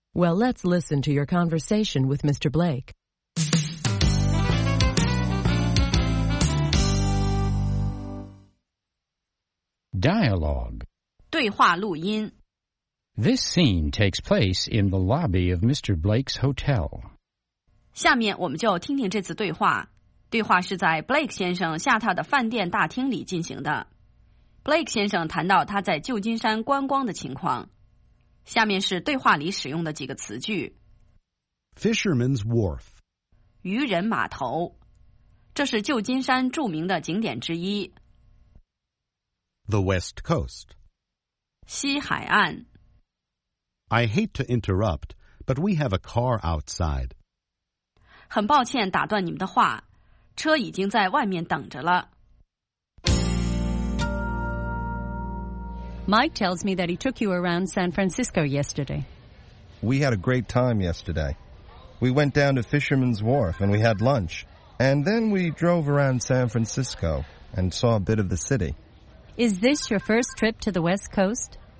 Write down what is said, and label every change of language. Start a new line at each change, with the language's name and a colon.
English: Well, let's listen to your conversation with Mr. Blake. Dialogue.
Chinese: 对话录音。
English: This scene takes place in the lobby of Mr. Blake's hotel.
Chinese: 下面我们就听听这次对话。对话是在 Blake 先生下榻的饭店大厅里进行的。 Blake 先生谈到他在旧金山观光的情况。下面是对话里使用的几个词句。
English: Fisherman's Wharf
Chinese: 渔人码头，这是旧金山著名的景点之一。
English: The West Coast
Chinese: 西海岸。
English: I hate to interrupt, but we have a car outside.
Chinese: 很抱歉打断你们的话，车已经在外面等着了。
English: Mike tells me that he took you around San Francisco yesterday. We had a great time yesterday. We went down to Fisherman's Wharf and we had lunch. And then we drove around San Francisco and saw a bit of the city. Is this your first trip to the West Coast?